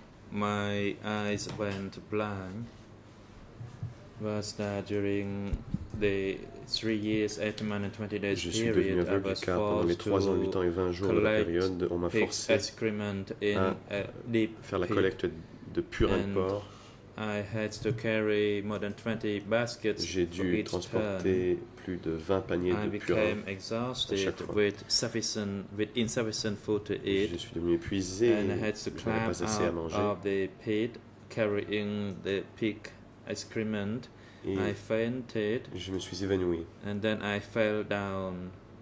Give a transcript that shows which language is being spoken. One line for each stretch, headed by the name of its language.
English: My eyes went blind was that during the 3 years, 8 months and 20 days
French: je suis devenu aveugle car pendant les 3 ans, 8 ans et 20 jours de la période, on m'a forcé à faire la collecte de purin de porc.
English: I had to carry more than 20 baskets.
French: J'ai dû transporter plus de 20 paniers de purin.
English: I became exhausted with sufficient, with insufficient food to eat.
French: Je suis devenu épuisé.
English: And I had to climb out of the pit carrying the pig excrement. I fainted.
French: Je me suis évanoui.
English: And then I fell down.